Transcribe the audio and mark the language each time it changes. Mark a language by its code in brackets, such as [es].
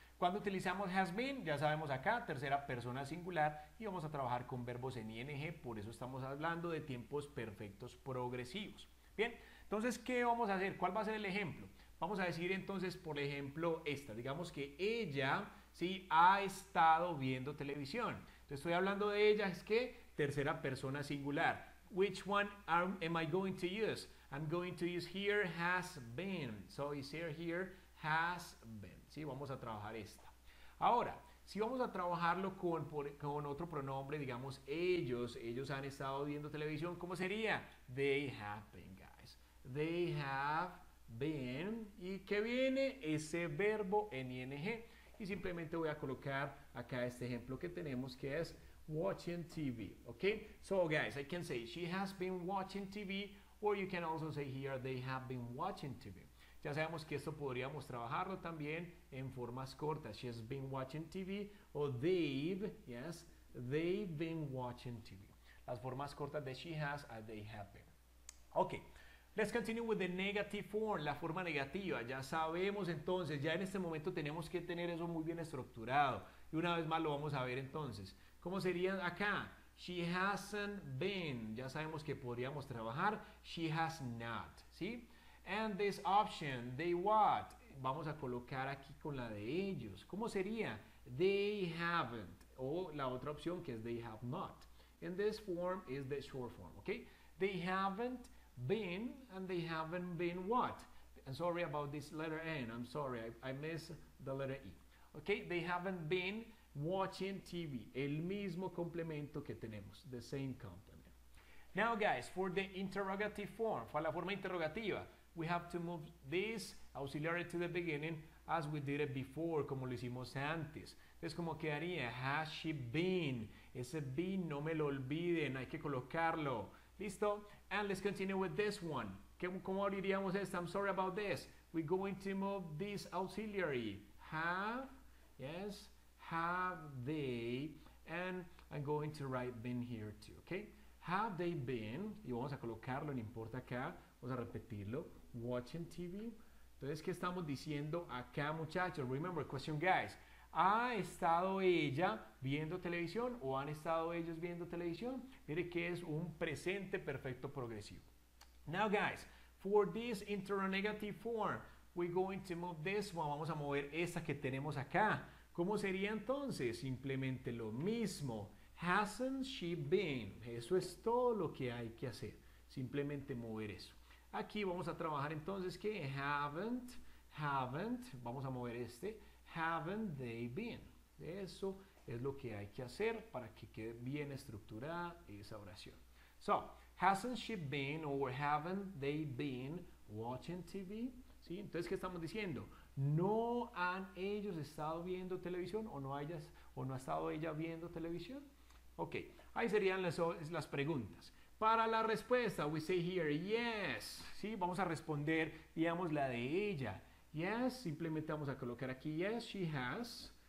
[es] Cuando utilizamos [en] has been, [es] ya sabemos acá, tercera persona singular, y vamos a trabajar con verbos en ing, por eso estamos hablando de tiempos perfectos progresivos. Bien, entonces, ¿qué vamos a hacer? ¿Cuál va a ser el ejemplo? Vamos a decir entonces, por ejemplo, esta. Digamos que ella, sí, ha estado viendo televisión. Entonces, estoy hablando de ella, es que tercera persona singular. [en] Which one am I going to use? I'm going to use here has been. So, is here, here has been. [es] Sí, vamos a trabajar esta. Ahora, si vamos a trabajarlo con otro pronombre, digamos ellos, ellos han estado viendo televisión, ¿cómo sería? [en] They have been, guys. They have been. [es] ¿Y qué viene? Ese verbo en ing. Y simplemente voy a colocar acá este ejemplo que tenemos que es [en] watching TV, okay? So guys, I can say she has been watching TV, or you can also say here they have been watching TV. [es] Ya sabemos que esto podríamos trabajarlo también en formas cortas. [en] She has been watching TV, o they've, yes, they've been watching TV. [es] Las formas cortas de [en] she has are they have been. Okay, let's continue with the negative form, [es] la forma negativa. Ya sabemos entonces, ya en este momento tenemos que tener eso muy bien estructurado. Y una vez más lo vamos a ver entonces. ¿Cómo sería acá? [en] She hasn't been. [es] Ya sabemos que podríamos trabajar. [en] She has not. [es] ¿Sí? [en] And this option, they what? [es] Vamos a colocar aquí con la de ellos. ¿Cómo sería? [en] They haven't. [es] O la otra opción que es [en] they have not. In this form is the short form. Okay? They haven't been and they haven't been what? And sorry about this letter N. I'm sorry. I missed the letter E. Okay? They haven't been watching TV, [es] el mismo complemento que tenemos, [en] the same complement. Now guys, for the interrogative form, [es] para la forma interrogativa, [en] we have to move this auxiliary to the beginning as we did it before, [es] como lo hicimos antes. Entonces, ¿cómo quedaría? [en] Has she been? [es] Ese been, no me lo olviden, hay que colocarlo. ¿Listo? [en] And let's continue with this one. [es] ¿Cómo diríamos esto? [en] I'm sorry about this. We're going to move this auxiliary. Have, yes, have they, going to write been here too, okay? Have they been, [es] y vamos a colocarlo, no importa acá, vamos a repetirlo, [en] watching TV. [es] Entonces, ¿qué estamos diciendo acá, muchachos? [en] Remember, question guys, [es] ¿ha estado ella viendo televisión o han estado ellos viendo televisión? Mire que es un presente perfecto progresivo. [en] Now guys, for this interrogative form, we're going to move this one, [es] vamos a mover esta que tenemos acá. ¿Cómo sería entonces? Simplemente lo mismo. [en] Hasn't she been? [es] Eso es todo lo que hay que hacer. Simplemente mover eso. Aquí vamos a trabajar entonces que haven't, vamos a mover este, [en] haven't they been? [es] Eso es lo que hay que hacer para que quede bien estructurada esa oración. [en] So, hasn't she been or haven't they been watching TV? [es] ¿Sí? Entonces, ¿qué estamos diciendo? ¿No han ellos estado viendo televisión o no ha estado ella viendo televisión? Ok, ahí serían las preguntas. Para la respuesta, [en] we say here, yes. [es] ¿Sí? Vamos a responder, digamos, la de ella. Yes, simplemente vamos a colocar aquí, [en] yes, she has.